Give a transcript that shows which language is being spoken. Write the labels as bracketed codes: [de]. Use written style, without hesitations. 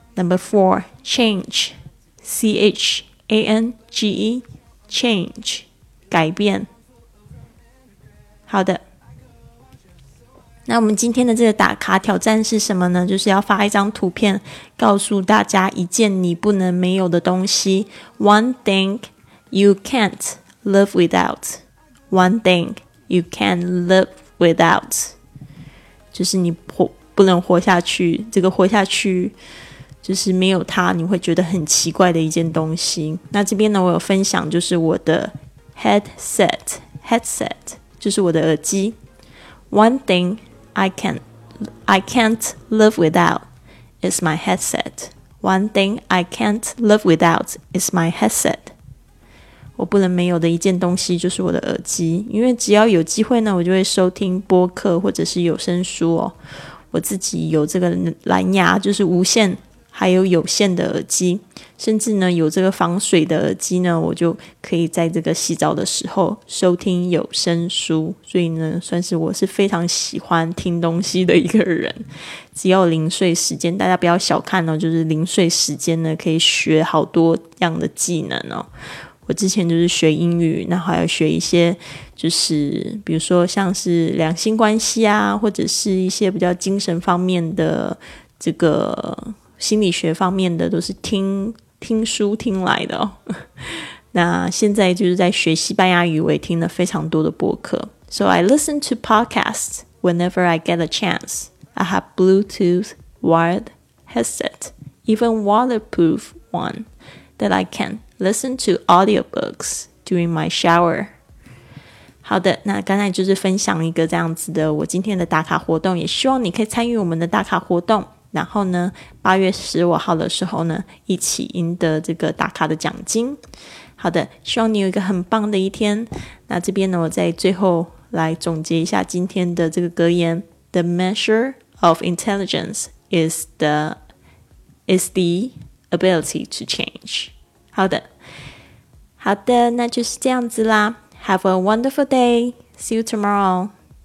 [en] Number four， change， C-H-A-N-G-E，change， [zh] 改变。好的，那我们今天的这个打卡挑战是什么呢？就是要发一张图片告诉大家一件你不能没有的东西。 [en] One thing you can't live without. One thing you can't live without. [zh] 就是你不能活下去，这个活下去就是没有它你会觉得很奇怪的一件东西。那这边呢我有分享就是我的 headset 就是我的耳机。 [en] One thing I can't live without is my headset. One thing I can't live without is my headset. [zh] 我不能没有的一件东西就是我的耳机，因为只要有机会呢我就会收听播客或者是有声书哦。我自己有这个蓝牙就是无线还有有线的耳机，甚至呢有这个防水的耳机呢，我就可以在这个洗澡的时候收听有声书，所以呢算是我是非常喜欢听东西的一个人。只要零碎时间，大家不要小看哦，就是零碎时间呢可以学好多样的技能哦。我之前就是学英语，然后还有学一些就是比如说像是两性关系啊，或者是一些比较精神方面的这个心理学方面的，都是听书听来的哦。那现在就是在学西班牙语，我也听了非常多的播客。 [en] So I listen to podcasts whenever I get a chance. I have Bluetooth wired headset, even waterproof one, that I can listen to audiobooks during my shower. [zh] 好的，那刚才就是分享一个这样子的我今天的打卡活动，也希望你可以参与我们的打卡活动，然后呢8月15号的时候呢一起赢得这个打卡的奖金。好的，希望你有一个很棒的一天。那这边呢我再最后来总结一下今天的这个格言。 [en] The measure of intelligence is the ability to change. [zh] 好的，那就是这样子啦。 [en] Have a wonderful day. See you tomorrow.